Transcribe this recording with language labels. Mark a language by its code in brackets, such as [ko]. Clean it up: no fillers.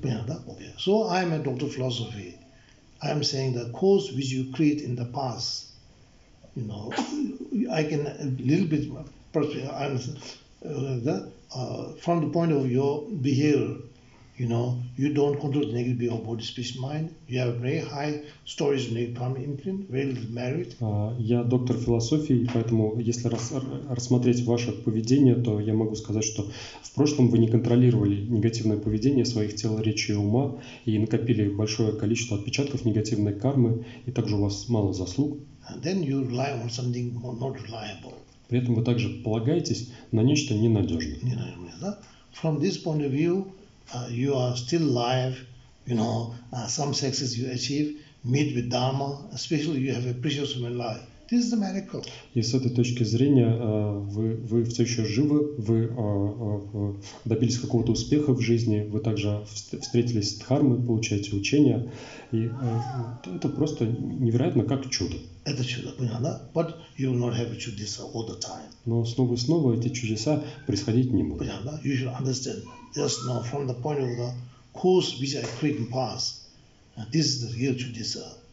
[ru] Понятно, да? [en] Okay. So, I am a doctor of philosophy. I am saying the cause which you create in the past, you know, I can a little bit, from the point of your behavior, you know, you don't control the negative behavior of body, speech, mind. You have very high stories of negative karma imprint, very little merit. [ru] Я доктор философии, поэтому если рассмотреть ваше поведение, то я могу сказать, что в прошлом вы не контролировали негативное поведение своих тел, речи и ума и накопили большое количество отпечатков негативной кармы, и также у вас мало заслуг. [en] And then you rely on something not reliable. [ru] При этом вы также полагаетесь на нечто ненадежное. Ненадежное, да? [en] From this point of view, you are still alive. You know, some success you achieve, meet with Dharma, especially you have a precious human life. This is a miracle. [ru] И с этой точки зрения, вы все еще живы, вы добились какого-то успеха в жизни, вы также встретились с Дхармой, получаете учение. И это просто невероятно, как чудо. Это чудо, понятно, да? [en] But you will not have чудеса all the time. [ru] Но снова и снова эти чудеса происходить не будут. Понятно, да? [en] You should understand. Just now, from the point of the course which I create in the past, this is the real чудеса.